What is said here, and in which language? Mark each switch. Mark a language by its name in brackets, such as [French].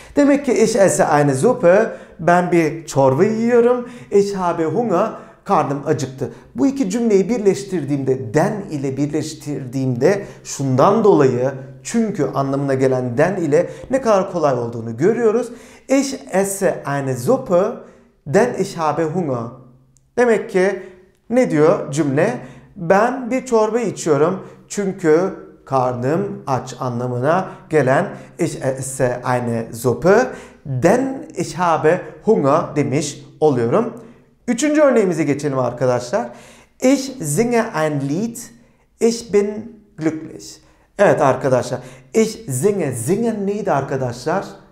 [Turkish] Demek ki [German] ich esse eine Suppe, [Turkish] ben bir çorba yiyorum. [German] İşhabe hunga, [Turkish] karnım acıktı. Bu iki cümleyi birleştirdiğimde, den ile birleştirdiğimde şundan dolayı, çünkü anlamına gelen den ile ne kadar kolay olduğunu görüyoruz. [German] Ich esse eine Suppe, denn ich habe Hunger. [Turkish] Demek ki ne diyor cümle? Ben bir çorba içiyorum çünkü karnım aç anlamına gelen [German] ich esse eine Suppe, denn ich habe Hunger [Turkish] demiş oluyorum. Üçüncü örneğimize geçelim arkadaşlar. [German] Ich singe ein Lied, ich bin glücklich. [Turkish] Evet arkadaşlar, [German] ich singe, singen [Turkish] neydi arkadaşlar?